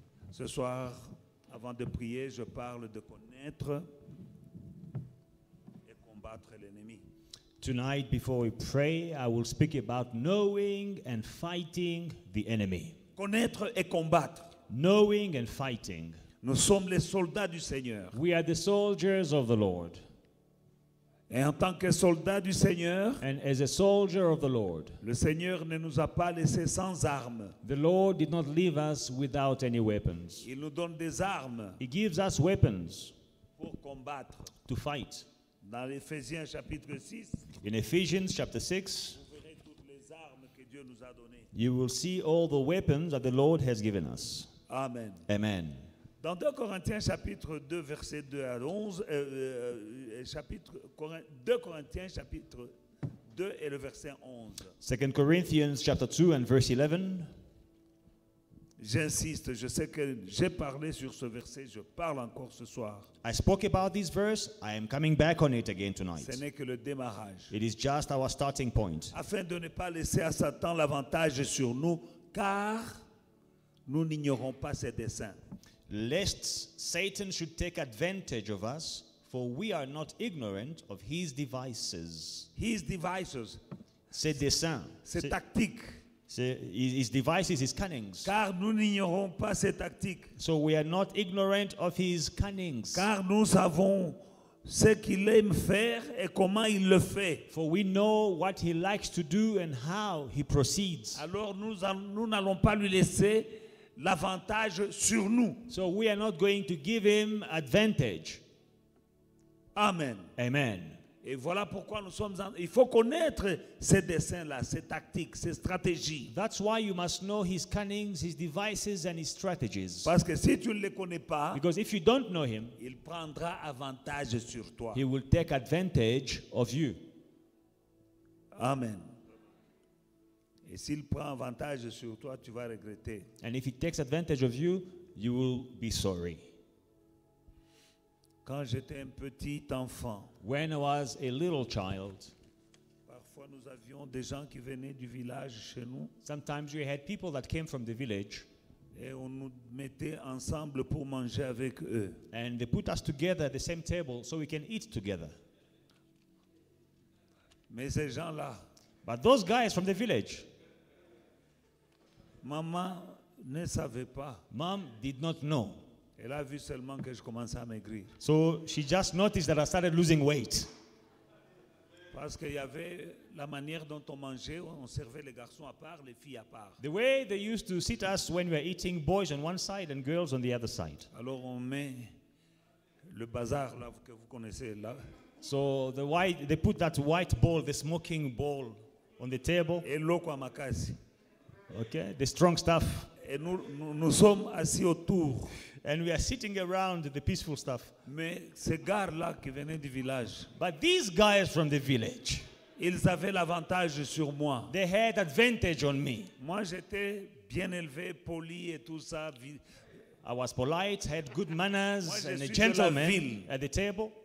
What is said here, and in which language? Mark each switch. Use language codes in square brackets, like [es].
[fr] Ce soir, avant de prier, je parle de connaître et combattre l'ennemi. [en] Tonight, before we pray, I will speak about knowing and fighting the enemy. [fr] Connaître et combattre. [en] Knowing and fighting. [fr] Nous sommes les soldats du Seigneur. [en] We are the soldiers of the Lord. [fr] Et en tant que soldat du Seigneur, [en] and as a soldier of the Lord, [fr] le Seigneur ne nous a pas laissés sans armes. [en] The Lord did not leave us without any weapons. [fr] Il nous donne des armes. [en] He gives us weapons [fr] pour combattre. [en] To fight. [fr] Dans Ephésiens chapitre 6, [en] in Ephesians chapter 6, [fr] vous verrez toutes les armes que Dieu nous a données. [en] You will see all the weapons that the Lord has given us. [fr] Amen. [en] Amen. [fr] Dans 2 Corinthiens chapitre 2 verset 2 à 11, 2 Corinthiens chapitre 2 et le verset 11. [en] 2 Corinthians chapter 2 and verse 11. [fr] J'insiste, je sais que j'ai parlé sur ce verset, je parle encore ce soir. [en] I spoke about this verse, I am coming back on it again tonight. [fr] Ce n'est que le démarrage. [en] It is just our starting point. [fr] Afin de ne pas laisser à Satan l'avantage sur nous, car nous n'ignorons pas ses desseins. [en] Lest Satan should take advantage of us, for we are not ignorant of his devices. His devices. [fr] Ses desseins. Ses tactiques. [en] His devices, his cunnings. [fr] Car nous n'ignorons pas ses tactiques. [en] So we are not ignorant of his cunnings. [fr] Car nous savons ce qu'il aime faire et comment il le fait. [en] For we know what he likes to do and how he proceeds. [fr] Alors nous n'allons pas lui laisser l'avantage sur nous. [en] So we are not going to give him advantage. [fr] Amen. [en] Amen. [fr] Et voilà pourquoi nous sommes en... Il faut connaître ces desseins-là, ces tactiques, ces stratégies. [en] That's why you must know his cunnings, his devices and his strategies. [fr] Parce que si tu ne les connais pas, [en] because if you don't know him, [fr] il prendra avantage sur toi. [en] He will take advantage of you. [fr] Amen. Et s'il prend avantage sur toi, tu vas regretter. [en] And if he takes advantage of you, you will be sorry. [fr] Quand j'étais un petit enfant, [en] when I was a little child, [fr] parfois nous avions des gens qui venaient du village chez nous. [en] Sometimes we had people that came from the village. [fr] Et on nous mettait ensemble pour manger avec eux. [en] And they put us together at the same table so we can eat together. [fr] Mais ces gens-là, [en] but those guys from the village, [fr] maman ne savait pas. [en] Mom did not know. [fr] Elle a vu seulement que je commençais à maigrir. [en] So she just noticed that I started losing weight. [fr] Parce qu'il y avait la manière dont on mangeait, on servait les garçons à part, les filles à part. [en] The way they used to sit us when we were eating, boys on one side and girls on the other side. [fr] Alors on met le bazar là que vous connaissez là. [en] So the white, they put that white ball, the smoking ball, on the table. [fr] Et [ln] loco amakasi. [en] Okay, the strong stuff. [fr] Et nous sommes assis autour. [en] And we are sitting around the peaceful stuff. [fr] Mais ces gars-là qui venaient du village, [en] but these guys from the village, [fr] ils avaient l'avantage sur moi. [en] They had advantage on me. [fr] Moi, j'étais bien élevé, poli et tout ça. [en] I was polite, had good manners, and a gentleman at the table.